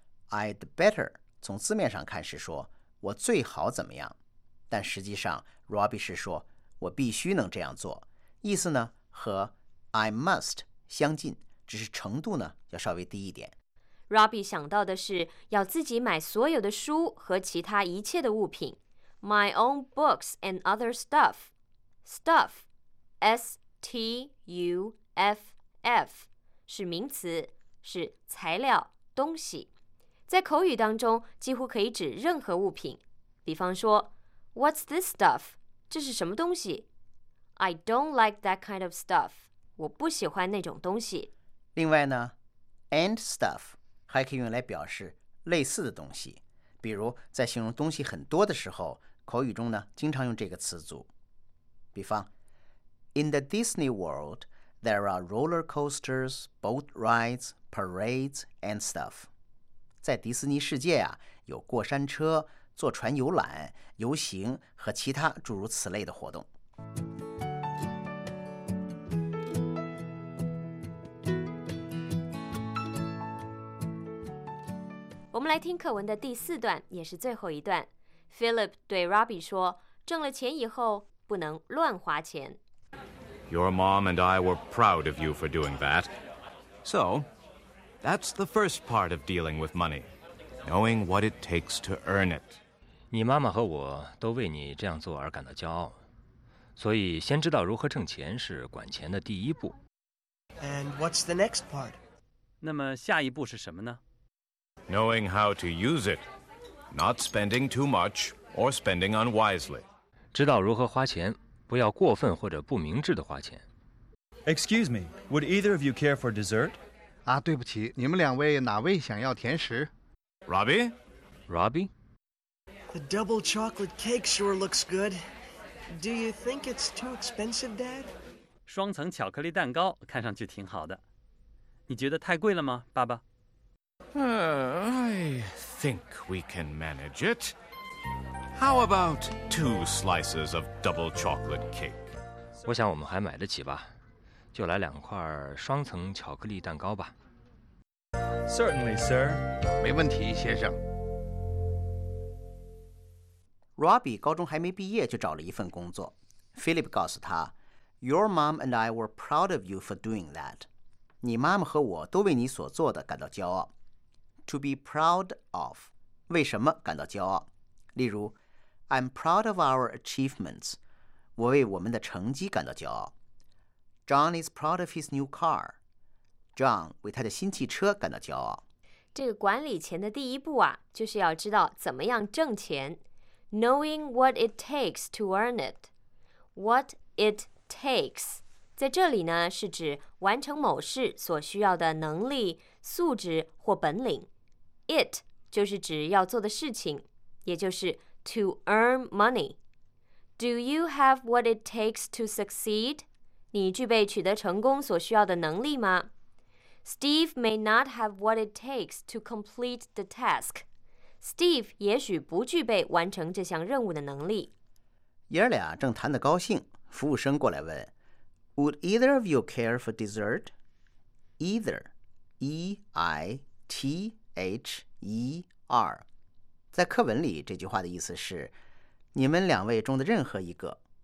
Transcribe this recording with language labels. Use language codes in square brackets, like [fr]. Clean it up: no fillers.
[en] I'd better [zh] 从字面上看是说我最好怎么样，但实际上 Robbie 是说我必须能这样做，意思呢和 [en] I must [zh] 相近，只是程度呢要稍微低一点。 Robbie 想到的是要自己买所有的书和其他一切的物品。 [en] My own books and other stuff. [zh] Stuff, S-T-U-F-F, 是名词，是材料、东西。在口语当中几乎可以指任何物品。 [en] 比方说 What's this stuff? [zh] 这是什么东西？ [en] I don't like that kind of stuff. [zh] 我不喜欢那种东西。另外呢 [en] and stuff. [zh] 还可以用来表示类似的东西，比如在形容东西很多的时候，口语中呢经常用这个词组。 [en] 比方 In the Disney World, there are roller coasters, boat rides, parades, and stuff. [zh] 在迪士尼世界啊，有过山车、坐船游览、游行和其他诸如此类的活动。我们来听课文的第四段，也是最后一段。Philip 对 Robbie 说，挣了钱以后不能乱花钱。 [en] Your mom and I were proud of you for doing that. So, that's the first part of dealing with money, knowing what it takes to earn it. [zh] 你妈妈和我都为你这样做而感到骄傲，所以先知道如何挣钱是管钱的第一步。 [en] And what's the next part? [zh] 那么下一步是什么呢？ [en] Knowing how to use it, not spending too much or spending unwisely. [zh] 知道如何花钱，不要过分或者不明智的花钱。 [en] Excuse me, would either of you care for dessert? [zh] 啊，对不起，你们两位哪位想要甜食 [en] ？Robbie, Robbie. The double chocolate cake sure looks good. Do you think it's too expensive, Dad? [zh] 双层巧克力蛋糕看上去挺好的，你觉得太贵了吗，爸爸？ [en] I think we can manage it. How about two slices of double chocolate cake? [zh] 我想我们还买得起吧，就来两块双层巧克力蛋糕吧。 [en] Certainly, sir. [zh] 没问题，先生。 Robbie 高中还没毕业就找了一份工作。 Philip 告诉他 ， [en] Your mom and I were proud of you for doing that. [zh] 你妈妈和我都为你所做的感到骄傲。 [en] To be proud of, [zh] 为什么感到骄傲？例如 [en] I'm proud of our achievements, [zh] 我为我们的成绩感到骄傲。 [en] John is proud of his new car, John [zh] 为他的新汽车感到骄傲。这个管理钱的第一步啊，就是要知道怎么样挣钱。 [en] Knowing what it takes to earn it. What it takes, [zh] 在这里呢，是指完成某事所需要的能力、素质或本领。 It 就是指要做的事情，也就是 [en] to earn money. Do you have what it takes to succeed? [zh] 你具备取得成功所需要的能力吗？ [en] Steve may not have what it takes to complete the task. [zh] Steve 也许不具备完成这项任务的能力。爷儿俩正谈得高兴，服务生过来问 [en] Would either of you care for dessert? [zh] Either, E-I-T-H-E-R 在课文里这句话的意思是你们两位中的任何一个。